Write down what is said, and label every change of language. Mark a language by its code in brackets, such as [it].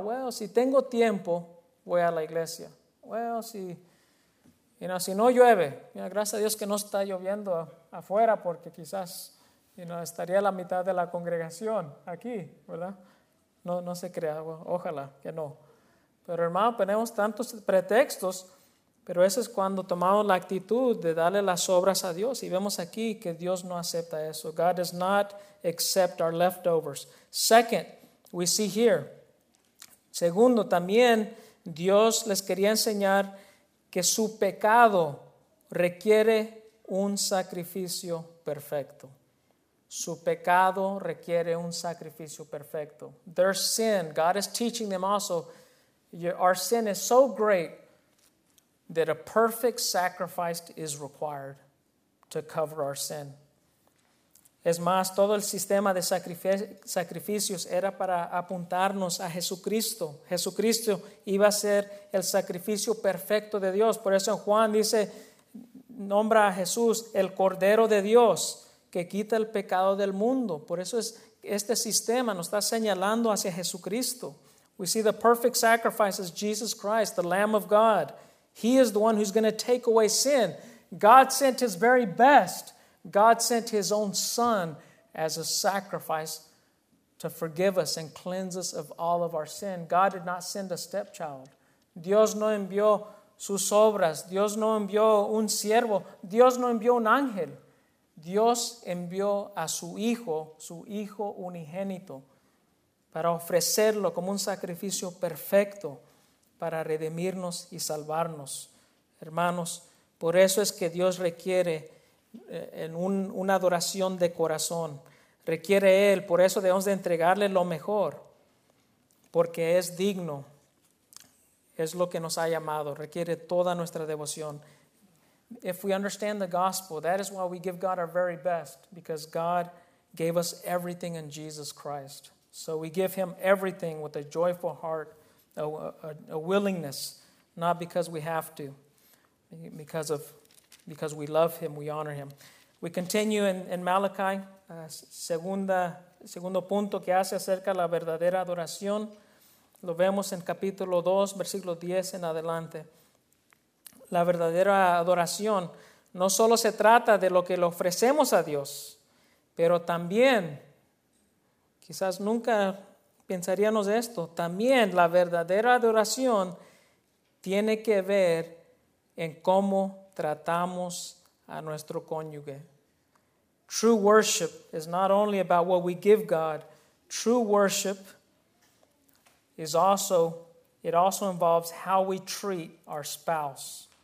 [es] Well, si tengo tiempo, voy a la iglesia. Well, si, you know, si no llueve, mira, gracias a Dios que no está lloviendo afuera porque quizás, you know, estaría la mitad de la congregación aquí, ¿verdad? No se crea, ojalá que no. Pero hermano, tenemos tantos pretextos, pero eso es cuando tomamos la actitud de darle las obras a Dios. Y vemos aquí que Dios no acepta eso. [en] God does not accept our leftovers. Second, we see here. [es] Segundo, también Dios les quería enseñar que su pecado requiere un sacrificio perfecto. Su pecado requiere un sacrificio perfecto. [en] Their sin, God is teaching them also, our sin is so great that a perfect sacrifice is required to cover our sin. [es] Es más, todo el sistema de sacrificios era para apuntarnos a Jesucristo. Jesucristo iba a ser el sacrificio perfecto de Dios. Por eso en Juan dice, nombra a Jesús el Cordero de Dios, que quita el pecado del mundo. Por eso es, este sistema nos está señalando hacia Jesucristo. [en] We see the perfect sacrifice is Jesus Christ, the Lamb of God. He is the one who's going to take away sin. God sent His very best. God sent His own Son as a sacrifice to forgive us and cleanse us of all of our sin. God did not send a stepchild. [es] Dios no envió sus obras. Dios no envió un siervo. Dios no envió un ángel. Dios envió a su Hijo unigénito, para ofrecerlo como un sacrificio perfecto para redimirnos y salvarnos. Hermanos, por eso es que Dios requiere en una adoración de corazón. Requiere Él, por eso debemos de entregarle lo mejor, porque es digno, es lo que nos ha llamado, requiere toda nuestra devoción. [en] If we understand the gospel, that is why we give God our very best, because God gave us everything in Jesus Christ. So we give Him everything with a joyful heart, a willingness, not because we have to, because we love Him, we honor Him. We continue in Malachi, [es] segundo punto que hace acerca de la verdadera adoración. Lo vemos en capítulo 2, versículo 10 en adelante. La verdadera adoración no solo se trata de lo que le ofrecemos a Dios, pero también, quizás nunca pensaríamos esto, también la verdadera adoración tiene que ver en cómo tratamos a nuestro cónyuge. [en] True worship is not only about what we give God. True worship is also, it also involves how we treat our spouse.